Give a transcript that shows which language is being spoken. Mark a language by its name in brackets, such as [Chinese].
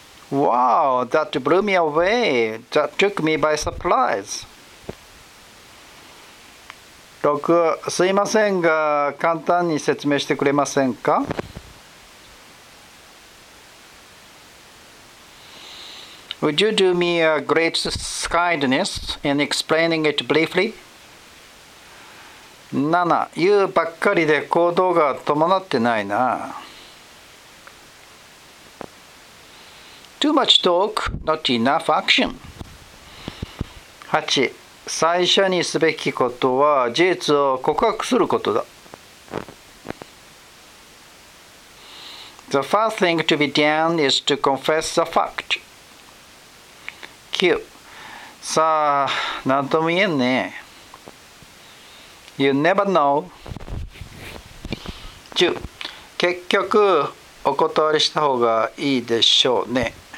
[English] Wow, that blew me away. That took me by surprise. 6. [Japanese] すいませんが、簡単に説明してくれませんか? [English] Would you do me a great kindness in explaining it briefly? 7. [Japanese] 言うばっかりで行動が伴ってないな。 [English] Too much talk, not enough action. 8. [Japanese] 最初にすべきことは事実を告白することだ。 [English] The first thing to be done is to confess the fact. 9. [Japanese] さあ、なんとも言えんね。 [English] You never know. 10. [Japanese] 結局、お断りした方がいいでしょうね。